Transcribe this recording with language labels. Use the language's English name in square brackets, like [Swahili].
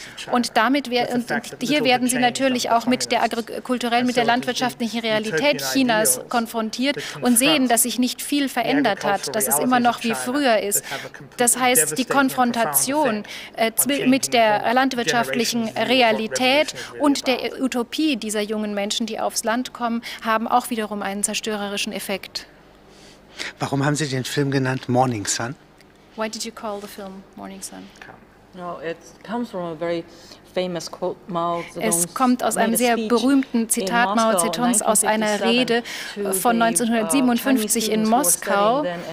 [German] Und damit hier werden sie natürlich auch mit der agrikulturellen, mit der landwirtschaftlichen Realität Chinas konfrontiert und sehen, dass sich nicht viel verändert hat, dass es immer noch wie früher ist. Das heißt, die Konfrontation mit der landwirtschaftlichen Realität und der Utopie dieser jungen Menschen, die aufs Land kommen, haben auch wiederum einen zerstörerischen Effekt. Warum haben Sie den Film genannt Morning Sun? [English] Why did you call the film Morning Sun? No, it comes from a very famous quote Mao Zedong. [German] Es kommt aus einem sehr berühmten Zitat Mao Zedongs aus einer Rede von 1957 in Moskau.